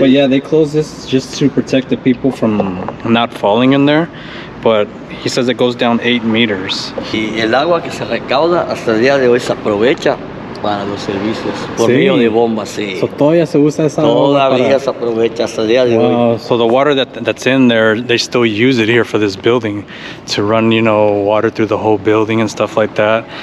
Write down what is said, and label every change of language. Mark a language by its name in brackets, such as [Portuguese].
[English] But yeah, they close this just to protect the people from not falling in there. But he says it goes down 8 meters. [Spanish] Y el agua que se recauda hasta el día de hoy se aprovecha para los servicios. Por sí. Río de bombas, sí. So todavía se usa esa agua. Todavía para... se aprovecha hasta el día de hoy. [English] So the water that's in there, they still use it here for this building to run, you know, water through the whole building and stuff like that.